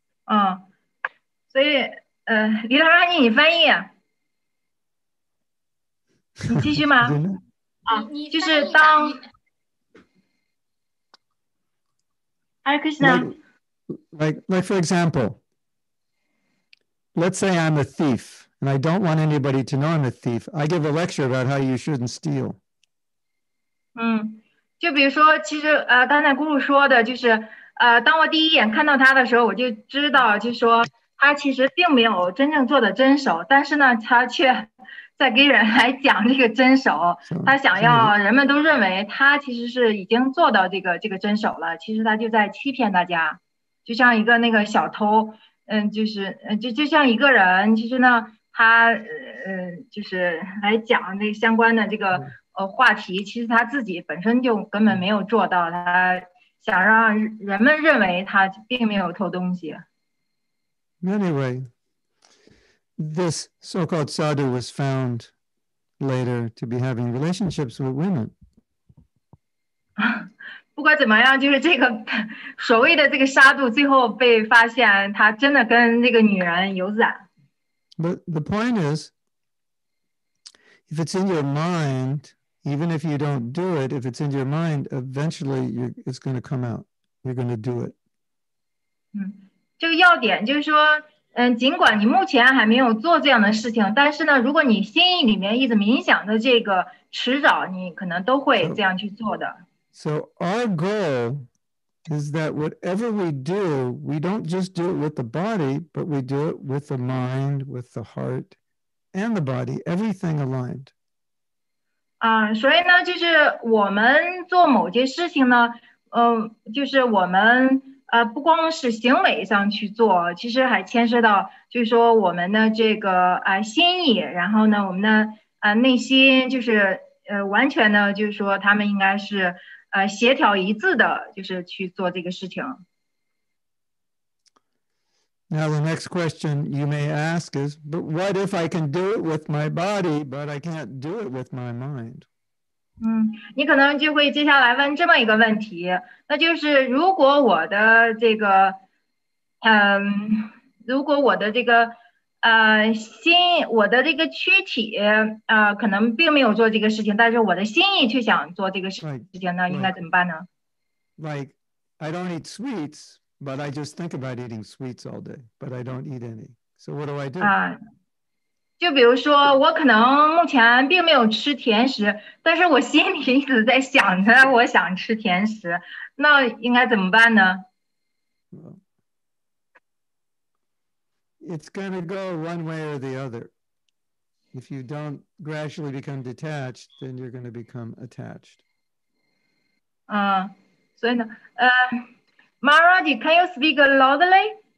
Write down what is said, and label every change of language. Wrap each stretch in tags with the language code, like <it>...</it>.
<zh>Oh. 所以李老师你翻译你继续吗就是当Hare Krishna</zh> <en>like for example, let's say I'm a thief and I don't want anybody to know I'm a thief. I give a lecture about how you shouldn't steal.</en> <zh>就比如说其实刚才咕噜说的就是当我第一眼看到他的时候我就知道就是说他其实并没有真正做的真守，但是呢，他却在给人来讲这个真守。他想要人们都认为他其实是已经做到这个真守了，其实他就在欺骗大家，就像一个那个小偷，就像一个人，其实呢，他就是来讲这相关的这个话题，其实他自己本身就根本没有做到，他想让人们认为他并没有偷东西。</zh> <en>Anyway, this so-called sadhu was found later to be having relationships with women.</en> <zh>不管怎么样，就是这个所谓的这个沙杜最后被发现，他真的跟那个女人有染。</zh> <en>But the point is, if it's in your mind, even if you don't do it, if it's in your mind, eventually it's going to come out. You're going to do it.</en> <zh>这个要点就是说尽管你目前还没有做这样的事情但是呢如果你心意里面一直冥想的这个迟早你可能都会这样去做的。</zh> <en>So our goal is that whatever we do, we don't just do it with the body, but we do it with the mind, with the heart, and the body, everything aligned.</en> <zh>所以呢就是我们做某件事情呢就是我们不光是行为上去做，其实还牵涉到，就是说我们的这个心意，然后呢，我们的内心就是完全的，就是说他们应该是协调一致的，就是去做这个事情。</zh> <en>Now the next question you may ask is, but what if I can do it with my body, but I can't do it with my mind?</en> <zh>你可能就会接下来问这么一个问题，那就是如果我的这个，如果我的这个，心，我的这个躯体，可能并没有做这个事情，但是我的心意却想做这个事情呢，</zh> <en>right.</en> <zh>应该怎么办呢</zh> <en>？Like, I don't eat sweets, but I just think about eating sweets all day, but I don't eat any. So what do I do?</en> <zh>就比如说我可能目前并没有吃甜食但是我心里一直在想着我想吃甜食那应该怎么办呢</zh> <en>It's going to go one way or the other. If you don't gradually become detached, then you're going to become attached. So, Maharaji, can you speak loudly?</en>